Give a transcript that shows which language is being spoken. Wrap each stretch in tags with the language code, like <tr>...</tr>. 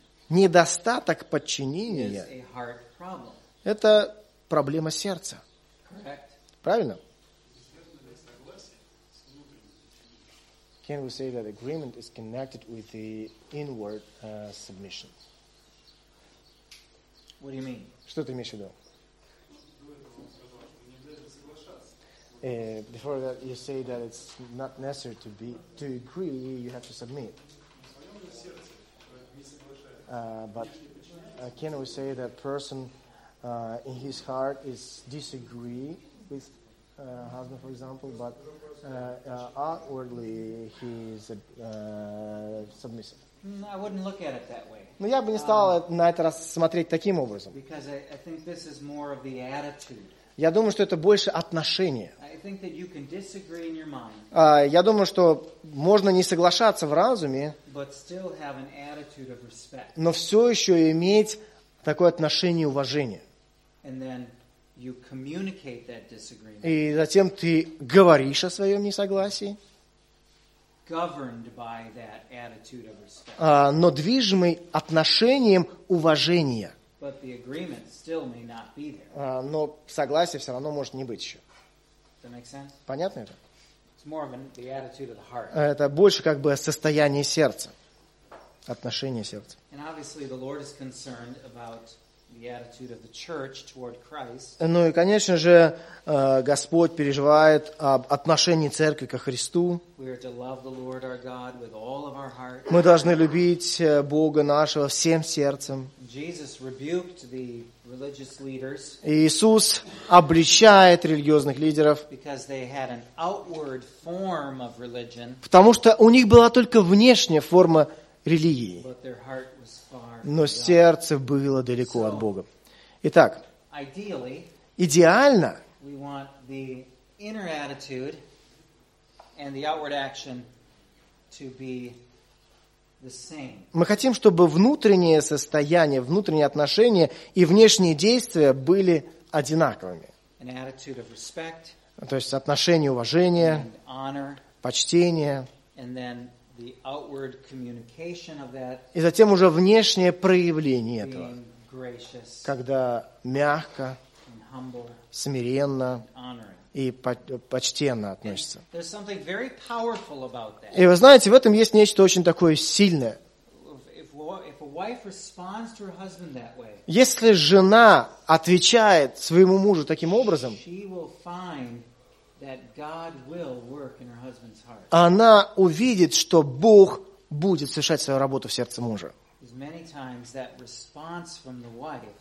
<ru>Недостаток подчинения – это проблема сердца. Правильно?</ru> <en>Can we say that agreement is connected with the inward submission? What do you mean?</en> <ru>Что ты имеешь в виду?</ru> <en>Before that, you say that it's not necessary to be to agree. You have to submit. But can we say that person in his heart is disagree with husband, for example, but outwardly he is submissive? I wouldn't look at it that way.</en> <ru>Но я бы не стал на это раз смотреть таким образом.</ru> <en>Because I think this is more of the attitude.</en> <ru>Я думаю, что это больше отношение.</ru> <en>I think that you can disagree in your mind.</en> <ru>Я думаю, что можно не соглашаться в разуме,</ru> <en>but still have an attitude of respect.</en> <ru>Но все еще иметь такое отношение уважения.</ru> <en>And then you communicate that disagreement.</en> <ru>И затем ты говоришь о своем несогласии.</ru> <en>Governed by that attitude of respect.</en> <ru>Но движимый отношением уважения.</ru> <en>But the agreement still may not be there.</en> <ru>Но согласие все равно может не быть еще.</ru> <en>Does that make sense?</en> <ru>Понятно это?</ru> <en>It's more of the attitude of the heart.</en> <ru>Это больше как бы состояние сердца, отношение сердца.</ru> <en>And obviously the Lord is concerned about the attitude of the church toward Christ.</en> <ru>Ну и конечно же Господь переживает об отношении церкви ко Христу.</ru> <en>We are to love the Lord our God with all of our heart.</en> <ru>Мы должны любить Бога нашего всем сердцем.</ru> <en>Jesus rebuked the religious leaders.</en> <ru>Иисус обличает религиозных лидеров.</ru> <en>Because they had an outward form of religion.</en> <ru>Потому что у них была только внешняя форма религии.</ru> <en>But their heart was far.</en> <ru>Но сердце было далеко от Бога. Итак,</ru> <en>ideally,</en> <ru>идеально</ru> <en>we want the inner attitude and the outward action to be the same.</en> <ru>Мы хотим, чтобы внутреннее состояние, внутренние отношения и внешние действия были одинаковыми.</ru> <en>An attitude of respect,</en> <ru>то есть отношение уважения,</ru> <en>honor,</en> <ru>почтения.</ru> <en>And then the outward communication of that.</en> <ru>И затем уже внешнее проявление этого.</ru> <en>Gracious,</en> <ru>когда мягко,</ru> <en>and humble,</en> <ru>смиренно</ru> <en>honoring.</en> <ru>И почтенно относится.</ru> <en>There's something very powerful about that.</en> <ru>И вы знаете, в этом есть нечто очень такое сильное.</ru> <en>If a wife responds to her husband that way,</en> <ru>если жена отвечает своему мужу таким образом,</ru> <en>she will find that God will work in her husband's heart.</en> <ru>Она увидит, что Бог будет совершать свою работу в сердце мужа.</ru> <en>Many times that response from the wife,</en>